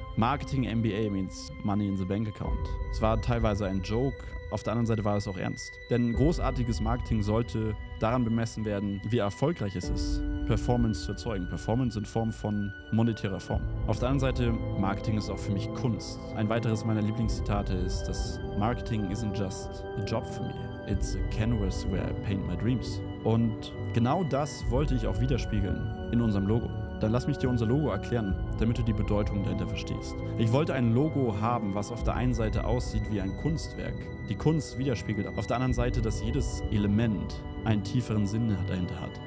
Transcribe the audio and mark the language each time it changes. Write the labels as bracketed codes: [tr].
[en] Marketing MBA means Money in the Bank Account. [de] Es war teilweise ein Joke, auf der anderen Seite war es auch ernst. Denn großartiges Marketing sollte daran bemessen werden, wie erfolgreich es ist, Performance zu erzeugen. Performance in Form von monetärer Form. Auf der anderen Seite, Marketing ist auch für mich Kunst. Ein weiteres meiner Lieblingszitate ist, dass [en] Marketing isn't just a job for me. It's a canvas where I paint my dreams. [de] Und genau das wollte ich auch widerspiegeln in unserem Logo. Dann lass mich dir unser Logo erklären, damit du die Bedeutung dahinter verstehst. Ich wollte ein Logo haben, was auf der einen Seite aussieht wie ein Kunstwerk, die Kunst widerspiegelt, auf der anderen Seite, dass jedes Element einen tieferen Sinn dahinter hat.